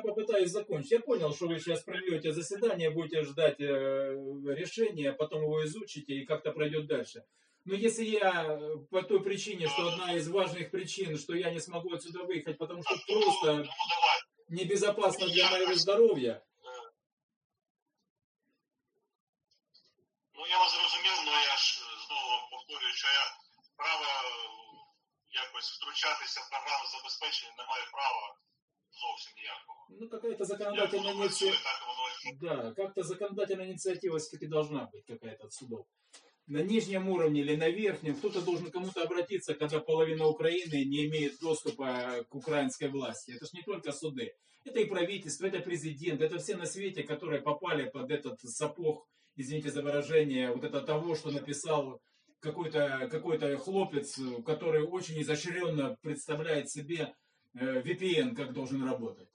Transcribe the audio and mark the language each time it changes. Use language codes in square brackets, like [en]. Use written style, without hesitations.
[ru] попытаюсь закончить. Я понял, что вы сейчас проведете заседание, будете ждать решения, потом его изучите и как-то пройдет дальше. Но если я по той причине, что одна из важных причин, что я не смогу отсюда выехать, потому что просто небезопасно для моего здоровья. Ну, я вас разумел, но я ж знову вам повторю, что я право [uk] якось втручатися в програму забезпечення не має права зовсім ніякого. [ru] Ну, какая-то законодательная [uk] ініціатива. [ru] Да, как-то законодательная инициатива все-таки должна быть какая-то от судов. На нижнем уровне или на верхнем кто-то должен кому-то обратиться, когда половина Украины не имеет доступа к украинской власти. Это ж не только суды. Это и правительство, это президент, это все на свете, которые попали под этот сапог, извините за выражение, вот это того, что написал какой-то хлопец, который очень изощренно представляет себе VPN, как должен работать.